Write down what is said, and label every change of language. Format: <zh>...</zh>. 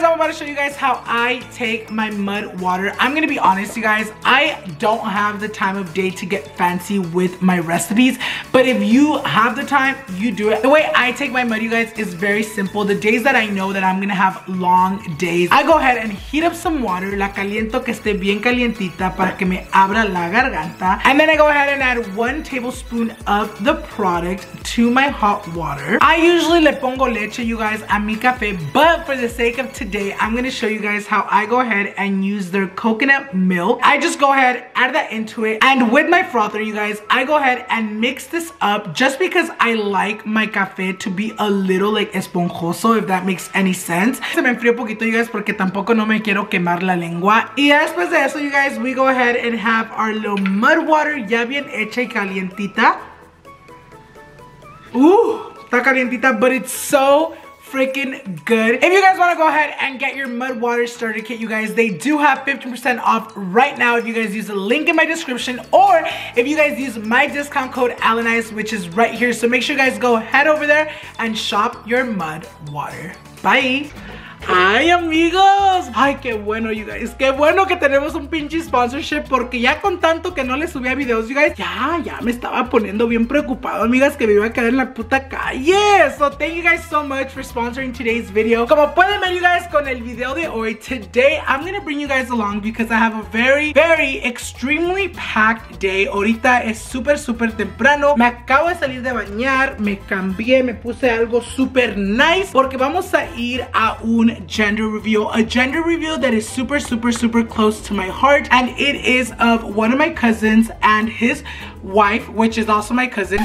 <en>So I'm about to show you guys how I take my Mudwater. I'm gonna be honest, you guys, I don't have the time of day to get fancy with my recipes, but if you have the time, you do it. The way I take my Mud, you guys, is very simple. The days that I know that I'm gonna have long days, I go ahead and heat up some water.</en> <es>La caliento que esté bien calientita para que me abra la garganta.</es> <en>And then I go ahead and add 1 tablespoon of the product to my hot water. I usually</en> <es>le pongo leche,</es> <en>you guys,</en> <es>a mi café.</es> <en>But for the sake of today, I'm gonna show you guys how I go ahead and use their coconut milk. I just go ahead, add that into it. And with my frother, you guys, I go ahead and mix this up just because I like my café to be a little like esponjoso. So if that makes any sense.</en> <es>Se me enfrió poquito,</es> <en>you guys,</en> <es>porque tampoco no me quiero quemar la lengua. Y después de eso,</es> <en>you guys, we go ahead and have our little Mudwater</en> <es>ya bien hecha y calientita.</es> <en>Ooh,</en> <es>está calientita,</es> <en>but it's so freaking good. If you guys want to go ahead and get your Mudwater starter kit, you guys, they do have 15% off right now if you guys use the link in my description, or if you guys use my discount code Alannized, which is right here. So make sure you guys go head over there and shop your Mudwater.</en> <es>Bye. Ay, amigos. Ay, qué bueno,</es> <en>you guys.</en> <es>Qué bueno que tenemos un pinche sponsorship, porque ya con tanto que no le subía videos,</es> <en>you guys,</en> <es>ya me estaba poniendo bien preocupado, amigas, que me iba a quedar en la puta calle.</es> <en>So thank you guys so much for sponsoring today's video.</en> <es>Como pueden ver,</es> <en>you guys,</en> <es>con el video de hoy,</es> <en>today I'm gonna bring you guys along because I have a very, very extremely packed day.</en> <es>Ahorita es súper, súper temprano. Me acabo de salir de bañar, me cambié, me puse algo súper nice, porque vamos a ir a un</es> <en>gender reveal, a gender reveal that is super, super, super close to my heart, and it is of one of my cousins and his wife, which is also my cousin.</en>